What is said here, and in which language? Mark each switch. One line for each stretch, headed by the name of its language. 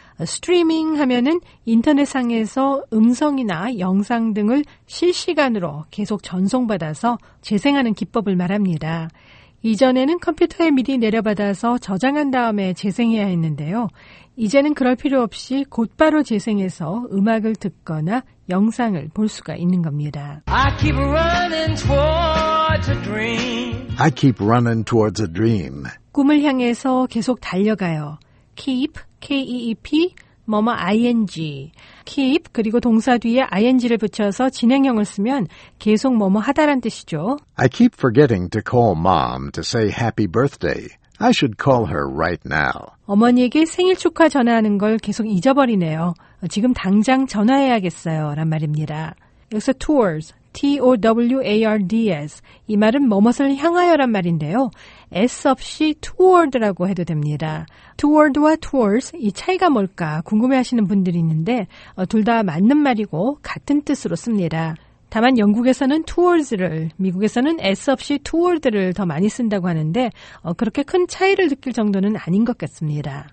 Korean: 스트리밍 하면은 인터넷상에서 음성이나 영상 등을 실시간으로 계속 전송받아서 재생하는 기법을 말합니다. 이전에는 컴퓨터에 미리 내려받아서 저장한 다음에 재생해야 했는데요. 이제는 그럴 필요 없이 곧바로 재생해서 음악을 듣거나 영상을 볼 수가 있는 겁니다.
English: I keep running towards a dream. I keep running towards a dream.
Korean: 꿈을 향해서 계속 달려가요.
English: Keep, K-E-E-P, 뭐뭐 ing.
Korean: keep, 그리고 동사 뒤에 ing를 붙여서 진행형을 쓰면 계속 뭐뭐 하다란 뜻이죠.
English: I keep forgetting to call mom to say happy birthday. I should call her right now.
Korean: 어머니에게 생일 축하 전화하는 걸 계속 잊어버리네요. 지금 당장 전화해야겠어요. 란 말입니다.
English: 여기서 towards, T-O-W-A-R-D-S.
Korean: 이 말은 뭐뭐를 향하여란 말인데요. S 없이 toward라고 해도 됩니다. toward와 towards, 이 차이가 뭘까 궁금해하시는 분들이 있는데 둘 다 맞는 말이고 같은 뜻으로 씁니다. 다만 영국에서는 towards를, 미국에서는 S 없이 toward를 더 많이 쓴다고 하는데 그렇게 큰 차이를 느낄 정도는 아닌 것 같습니다.